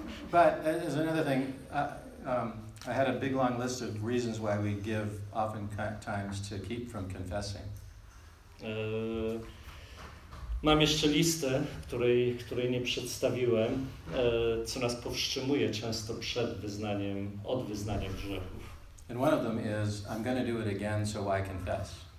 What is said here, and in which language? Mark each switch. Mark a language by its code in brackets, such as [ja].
[en] But there's another thing. I had a big long list of reasons why we give often times to keep from confessing. [pl] Mam jeszcze listę, której nie przedstawiłem, co nas powstrzymuje często przed wyznaniem, od wyznaniem grzechów. [en] And one of them is, I'm going to do it again, so why confess?